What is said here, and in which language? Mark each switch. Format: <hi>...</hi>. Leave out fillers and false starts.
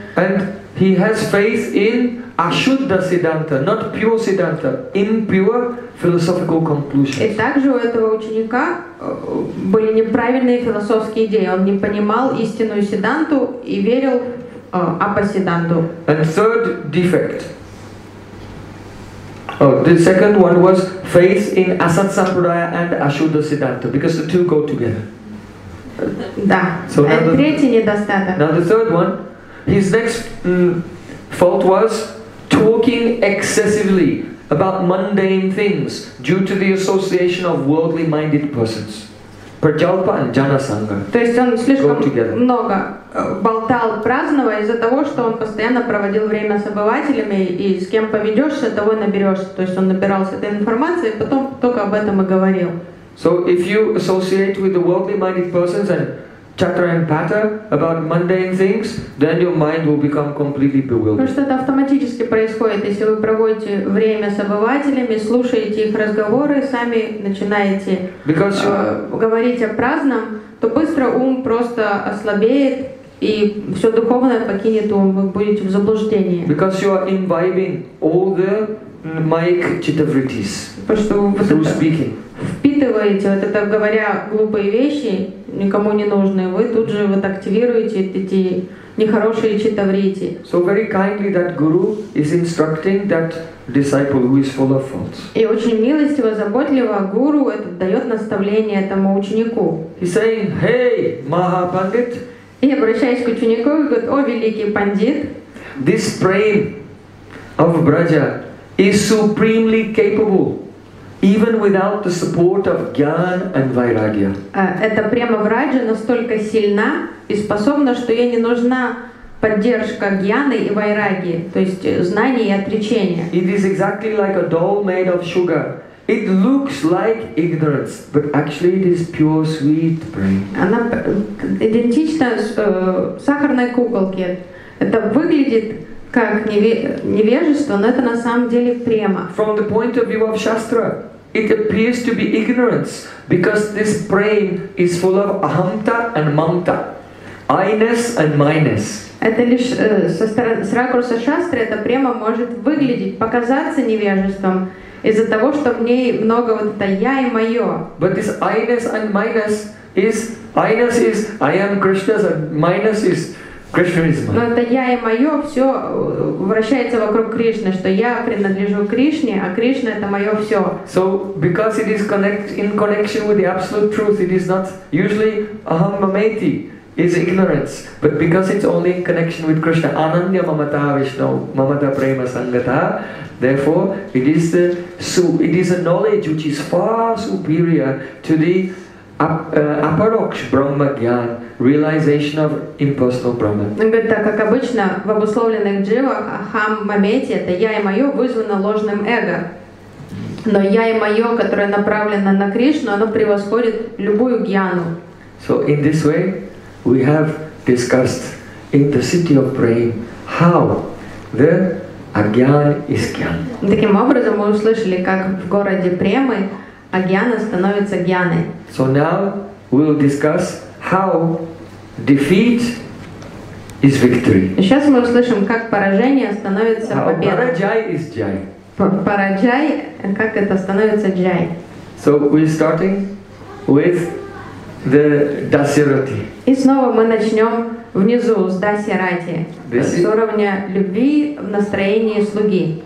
<en>And he has faith in Ashuddha Siddhanta, not pure Siddhanta, impure philosophical conclusions.</en> <ru>И также у этого ученика были неправильные философские идеи. Он не понимал истинную Сиддханту и верил апа-сиддханту.</ru> <en>And third defect. The second one was faith in Asat Sampradaya and Ashuddha Siddhanta, because the two go together.</en> <ru>Да.</ru> <en>So and</en> <ru>третий недостаток.</ru> <en>Now the third one, his next fault was talking excessively about mundane things due to the association of worldly minded persons. Prajalpa and Janasanga.</en> <ru>То есть он слишком много болтал праздного из-за того, что он постоянно проводил время с обывателями, и с кем поведешься, того и наберешься. То есть он набирался этой информации, потом только об этом и говорил.</ru> <en>So if you associate with the worldly minded persons and chatter and patter about mundane things, then your mind will become completely bewildered.</en> <ru>Потому что это автоматически происходит, если вы проводите время с обывателями, слушаете их разговоры, сами начинаете говорить о праздном, то быстро ум просто ослабеет и все духовное покинет ум, вы будете в заблуждении.</ru> <en>Because you are imbibing all the mic chitavritis through speaking.</en> <ru>Впитываете, вот это говоря глупые вещи, никому не нужные, вы тут же вот активируете эти нехорошие читаврити.</ru> <en>So very kindly that guru is instructing that disciple who is full of faults.</en> <ru>И очень милостиво, заботливо гуру этот дает наставление этому ученику.</ru> <en>He's saying, hey, Maha Pandit.</en> <ru>И обращаясь к ученику, говорит, о, великий пандит.</ru> <en>This prem of braja is supremely capable even without the support of gyan and vairagya.</en> <ru>Эта према в Радже настолько сильна и способна, что ей не нужна поддержка гьяны и вайраги, то есть знания и отречения.</ru> <en>It is exactly like a doll made of sugar. It looks like ignorance, but actually it is pure sweet prema.</en> <ru>Она идентична сахарной куколке. Это выглядит как невежество, но это на самом деле према.</ru> <en>From the point of view of Shastra, it appears to be ignorance because this brain is full of ahamta and mamta, I-ness and my-ness.</en> <ru>Это лишь с ракурса Шастры эта према может выглядеть, показаться невежеством из-за того, что в ней много вот это я и мое.</ru> <en>But this I-ness and my-ness is I-ness is I am Krishna's and my-ness is</en> <ru>Кришна. Но это я и мое все вращается вокруг Кришны, что я принадлежу Кришне, а Кришна это мое все.</ru> <en>So because it is in connection with the absolute truth, it is not usually aham mamati. Is ignorance, but because it's only in connection with Krishna, Ananya Mamata Vishnu, Mamata Prema Sangata, therefore it is the it is a knowledge which is far superior to the aparoksh Brahma Gyan, realization of impersonal Brahma.</en> <ru>Так как обычно в обусловленных дживах ахам мамети, это я и мое вызвано ложным эго. Но я и мое, которое направлено на Кришну, оно превосходит любую гьяну.</ru> <en>So in this way. We have discussed in the city of Prem how the agyan is gyan.</en> <ru>Таким образом мы услышали, как в городе Премы агьяна становится гьяной.</ru> <en>So now we will discuss how defeat is victory.</en> <ru>Сейчас мы услышим, как поражение становится победой.</ru> <en>How paraджай is jai.</en> <ru>Параджай, как это становится джай.</ru> <en>So we're starting with the Dasyarati.</en> <ru>И снова мы начнем внизу с Дасирати, с уровня любви в настроении слуги.</ru>